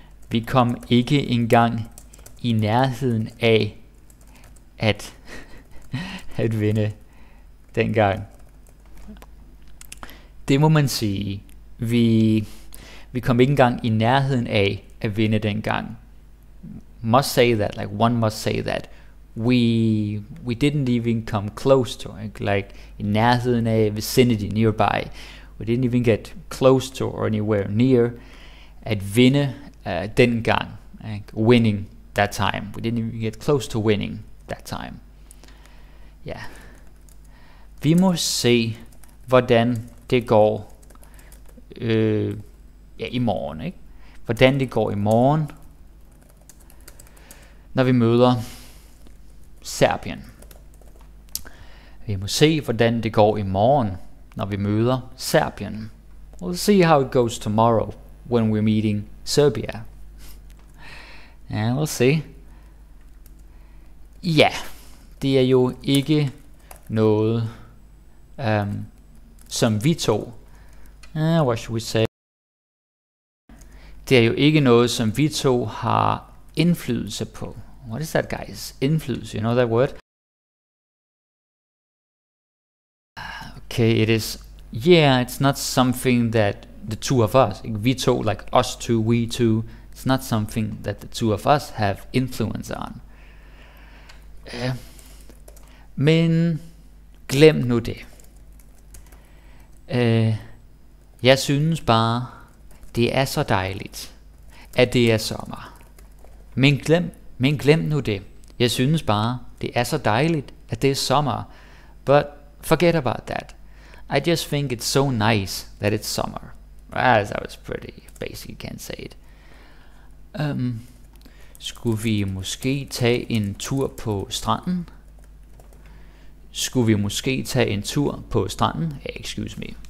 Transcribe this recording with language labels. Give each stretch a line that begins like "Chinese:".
Danish: Vi kom ikke engang i nærheden af at vinde dengang. Det må man sige. Vi kom ikke engang i nærheden af at vinde dengang.
English: Must say that, like one must say that. We didn't even come close to, like
Danish: i nærheden af,
English: vicinity, nearby. We didn't even get close to or anywhere near
Danish: at vinde dengang.
English: Like winning that time. We didn't even get close to winning that time. Ja. Yeah.
Danish: Vi må se, hvordan det går i morgen, ikke? Hvordan det går i morgen, når vi møder Serbien. Vi må se, hvordan det går i morgen, når vi møder Serbien.
English: We'll see how it goes tomorrow when we're meeting Serbia.
Danish: Ja,
English: yeah, we'll see.
Danish: Ja, yeah, det er jo ikke noget, som vi to.
English: What should we say?
Danish: Det er jo ikke noget, som vi to har indflydelse på.
English: What is that, guys? Influence, you know that word? Okay, it is. Yeah, it's not something that the two of us, like vi to, like us two, we two, it's not something that the two of us have influence on.
Danish: Men glem nu det. Jeg synes bare, det er så dejligt, at det er sommer. Men glem nu det. Jeg synes bare, det er så dejligt, at det er sommer.
English: But forget about that. I just think it's so nice that it's summer. As I was pretty basic, can't say it.
Danish: Skulle vi måske tage en tur på stranden? Skulle vi måske tage en tur på stranden?
English: Excuse me.